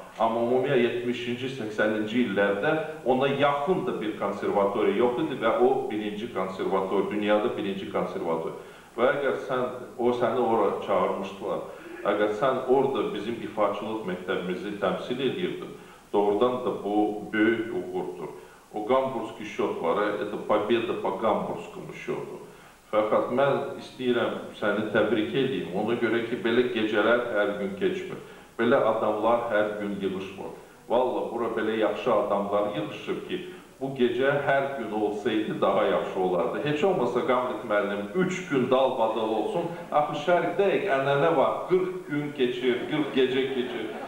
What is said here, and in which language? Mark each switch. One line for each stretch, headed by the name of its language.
Azerbaijani: Amma ümumiyyə 70-ci, 80-ci illərdə ona yaxın da bir konservatoriya yox idi və o birinci konservatoriya, dünyada birinci konservatoriya. Və əgər sən, o səni ora çağırmışdılar, əgər sən orada bizim ifaçılıq məktəbimizi təmsil edirdin, doğrudan da bu böyük uğurdur. O Gamburski şot var,
Russian: это победа по Гамбургскому счету.
Azerbaijani: Fəqat mən istəyirəm səni təbrik edeyim, ona görə ki, belə gecələr hər gün keçmir. Belə adamlar hər gün yığışmır. Valla, bura belə yaxşı adamlar yığışır ki, bu gecə hər gün olsaydı daha yaxşı olardı. Heç olmasa Qamrit müəllim 3 gün dalbadal olsun, axı şərqdəyik, ənənə var, 40 gün keçir, 40 gecə keçir.